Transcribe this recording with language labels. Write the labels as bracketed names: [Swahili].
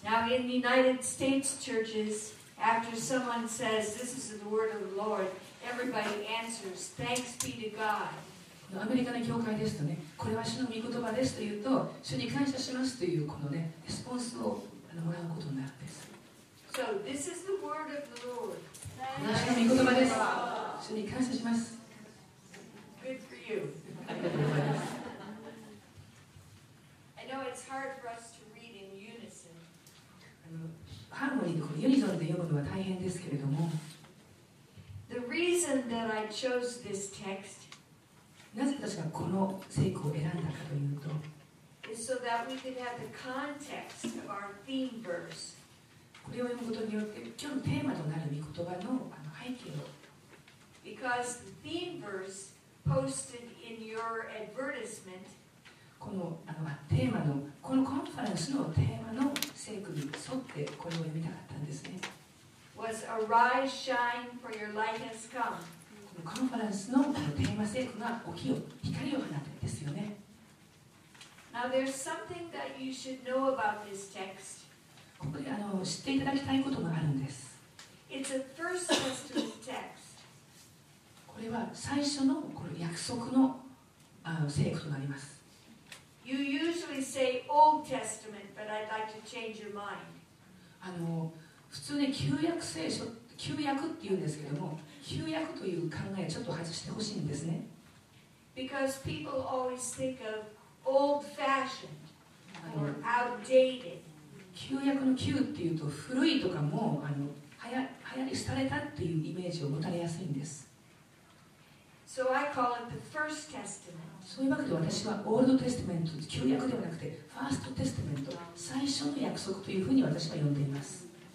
[English] In the United States churches, after someone says, "This is the word of the Lord," everybody answers, "Thanks be to God." [Japanese] アメリカの教会ですとね、これは主の御言葉ですと言うと、主に感謝しますというこのね、レスポンスをもらうことになるんです。 [English] So this is the word of the Lord. [Japanese] 主の御言葉です。主に感謝します。 [English] Good for you. I know it's hard for us to read in unison. [Japanese] ハーモニーでこのユニゾンで読むのは大変ですけれども、 [English] The reason that I chose this text, [Japanese] なぜ私がこの聖句を選んだかというと、 [English] is so that we could have the context of our theme verse. [Japanese] これを読むことによって今日のテーマとなる御言葉の背景を、 [English] Because the theme verse posted in your advertisement. [Japanese] このテーマのこのコンファレンスのテーマの聖句に沿ってこれを読みたかったんですね。 [English] Was arise shine for your light has come。 [Japanese] このコンファレンスのテーマ聖句が起きよ光を放ってですよね。 [English] Now there's something that you should know about this text。 [Japanese] ここで知っていただきたいことがあるんです。 [English] It's a first testament text。 [Japanese] これは最初のこの約束の聖句となります。 [English] You usually say Old Testament, but I'd like to change your mind. [Japanese] 普通ね、旧約聖書、旧約って言うんですけども、旧約という考えちょっと外してほしいんですね。 [English] Because people always think of old-fashioned or outdated. [Japanese] 旧約の旧っていうと古いとかも流行り廃れたっていうイメージを持たれやすいんです。 [English] So I call it the First Testament. [Japanese] そういうわけで私はオールドテスタメント、旧約ではなくてファーストテスタメント、最初の約束というふうに私は呼んでいます。